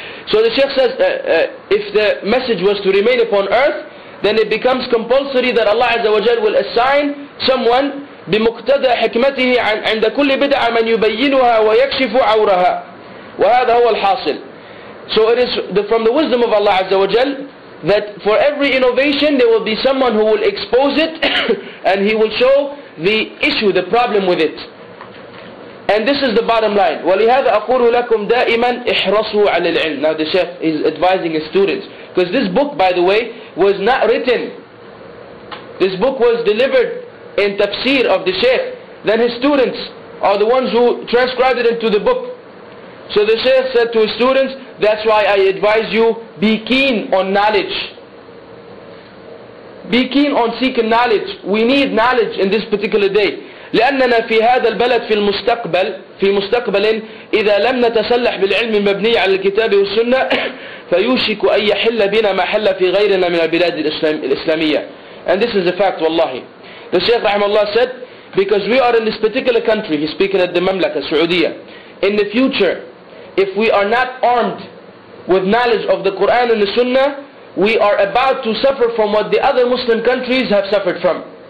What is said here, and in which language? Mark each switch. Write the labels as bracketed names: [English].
[English] So the Shaykh says, if the message was to remain upon earth, then it becomes compulsory that Allah Azza wa Jal will assign someone [Arabic] بمقتدى حكمته عند كل بدعة من يبينها ويكشف عورها وهذا هو الحاصل. [English] So it is from the wisdom of Allah Azza wa Jal that for every innovation there will be someone who will expose it and he will show the issue, the problem with it. And this is the bottom line. [Arabic] ولهذا أقول لكم دائما احرصوا على العلم. [English] Now the Shaykh is advising his students, because this book, by the way, was not written. This book was delivered in tafsir of the Shaykh. Then his students are the ones who transcribed it into the book. So the Shaykh said to his students, that's why I advise you, be keen on knowledge. Be keen on seeking knowledge. We need knowledge in this particular day. [Arabic] لأننا في هذا البلد في المستقبل في مستقبل إذا لم نتسلح بالعلم المبني على الكتاب والسنة فيوشك أن يحل بنا ما حل في غيرنا من البلاد الإسلامية. [English] And this is a fact, wallahi. The Shaykh rahimahullah said, because we are in this particular country, he's speaking at the Mamlaka, Saudiya, in the future, if we are not armed with knowledge of the Quran and the Sunnah, we are about to suffer from what the other Muslim countries have suffered from.